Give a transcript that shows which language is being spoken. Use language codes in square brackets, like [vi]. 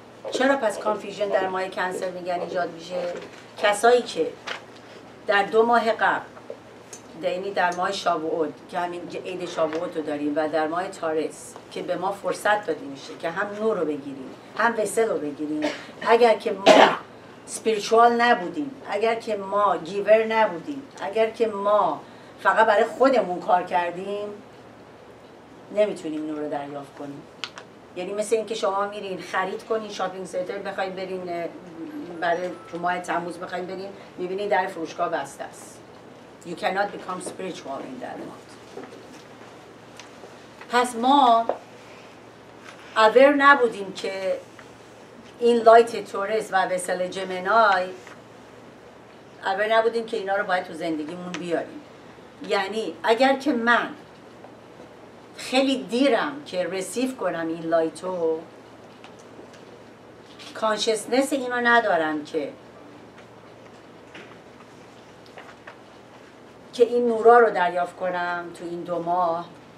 [fa] چرا پس کانفیوژن در ماه کنسر میگن ایجاد میشه؟ کسایی که در دو ماه قبل، یعنی در ماه شاوود که همین عید شاوود رو داریم و در ماه تارس که به ما فرصت داده میشه که هم نور رو بگیریم هم وسل رو بگیریم، اگر که ما سپیرچوال نبودیم، اگر که ما گیور نبودیم، اگر که ما فقط برای خودمون کار کردیم، نمیتونیم نور رو دریافت کنیم. یعنی مثل اینکه شما میرین خرید کنین شاپینگ سنتر، بخواید برین برای تو ماه تموز بخواید برین، میبینین در فروشگاه بسته است. [en] You cannot become spiritual in that month. [fa] پس ما aware نبودیم که این لایت تورس و وسل جمنای، aware نبودیم که اینا رو باید تو زندگیمون بیاریم. یعنی اگر که من خیلی دیرم که رسیف کنم این لایتو، کانشسنس اینو ندارم که این نورا رو دریافت کنم تو این دو ماه.